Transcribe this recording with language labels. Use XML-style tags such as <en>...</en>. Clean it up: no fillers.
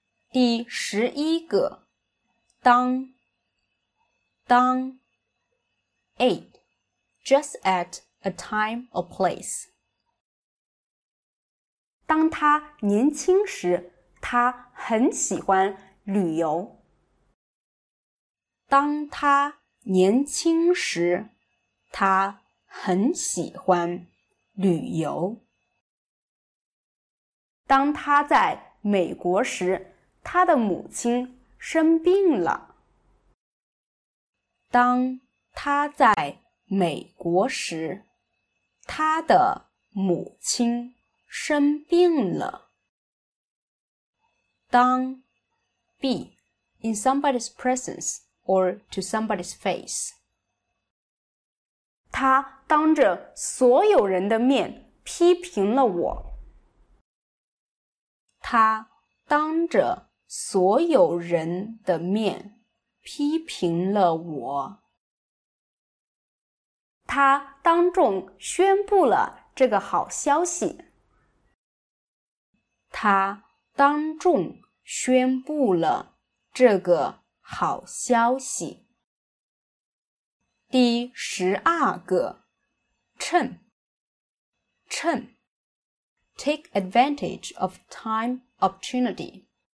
<zh>第十一个，当，当</zh> <en>，eight， just at a time or place。</en> <zh>当他年轻时，他很喜欢旅游。当他年轻时，他很喜欢旅游。当他在美国时，他的母亲生病了。当他在美国时，他的母亲生病了。</zh> <en>当 be in somebody's presence or to somebody's face，</en> <zh>他当着所有人的面批评了我。他当着所有人的面批评了我。他当众宣布了这个好消息。他当众宣布了这个好消息。第十二个，趁，趁</zh> <en>，take advantage of time opportunity。</en>